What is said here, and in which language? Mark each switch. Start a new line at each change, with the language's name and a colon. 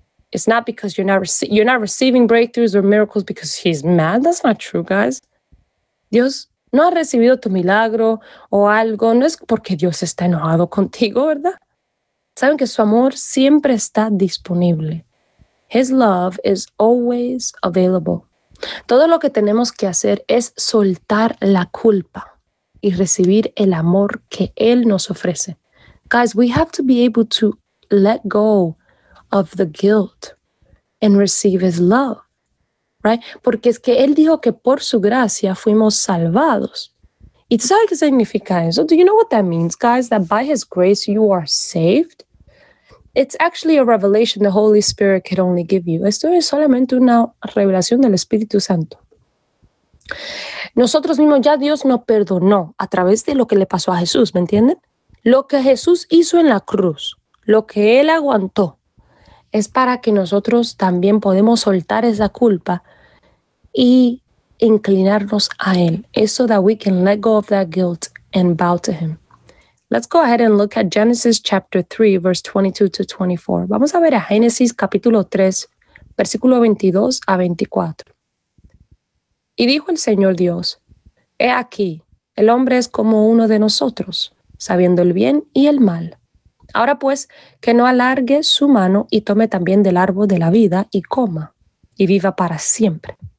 English: It's not because you're not receiving breakthroughs or miracles because he's mad. That's not true, guys.
Spanish: Dios no ha recibido tu milagro o algo. No es porque Dios está enojado contigo, ¿verdad? Saben que su amor siempre está disponible.
English: His love is always available.
Spanish: Todo lo que tenemos que hacer es soltar la culpa y recibir el amor que Él nos ofrece.
English: Guys, we have to be able to let go of the guilt and receive His love, right?
Spanish: Porque es que Él dijo que por su gracia fuimos salvados. ¿Y tú sabes qué significa eso?
English: Do you know what that means, guys? That by His grace you are saved? It's actually a revelation the Holy Spirit could only give you.
Spanish: Esto es solamente una revelación del Espíritu Santo. Nosotros mismos ya Dios nos perdonó a través de lo que le pasó a Jesús, ¿me entienden? Lo que Jesús hizo en la cruz, lo que Él aguantó, es para que nosotros también podemos soltar esa culpa y inclinarnos a Él.
English: Es so that we can let go of that guilt and bow to Him. Let's go ahead and look at Genesis chapter 3, verse 22 to 24.
Spanish: Vamos a ver a Génesis capítulo 3, versículo 22 a 24. Y dijo el Señor Dios, he aquí, el hombre es como uno de nosotros, sabiendo el bien y el mal. Ahora pues, que no alargue su mano y tome también del árbol de la vida y coma, y viva para siempre.